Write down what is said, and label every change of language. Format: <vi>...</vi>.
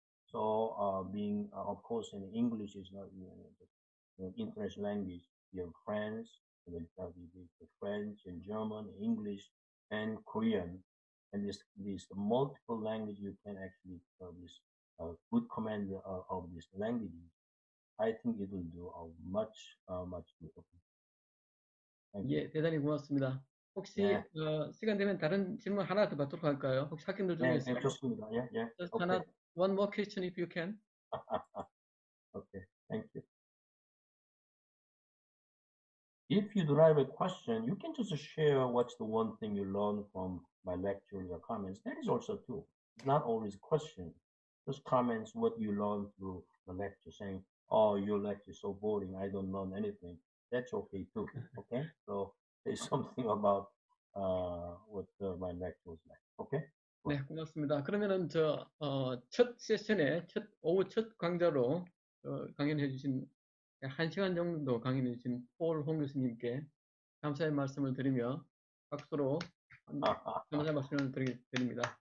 <en>So being, of course, in English is not international language, you have friends, the French and German, English and Korean, and this multiple language you can actually this good command of this language, I think it will do a much much good. Thank you.</en> <ko>Yeah, 대단히 고맙습니다. 혹시 yeah. 시간 되면 다른 질문 하나 더 받도록 할까요? 혹시 학생들 중에서 네, 좋습니다. Yeah, yeah.</ko> <en>Just okay. 하나, one more question if you can. Okay, thank you. If you derive a question, you can just share what's the one thing you learned from my lectures or comments. That is also too. It's not always a question. Just comments what you learned through the lecture, saying, oh, your lecture is so boring, I don't learn anything. That's okay too. Okay? So say something about what my lecture was like. Okay?</en> <ko>네, 고맙습니다. 그러면은 저 첫 세션에 첫 오후 첫 강좌로 강연해 주신 한 시간 정도 강연해 주신 폴 홍 교수님께 감사의 말씀을 드리며 박수로 감사의 말씀을 드립니다.</ko>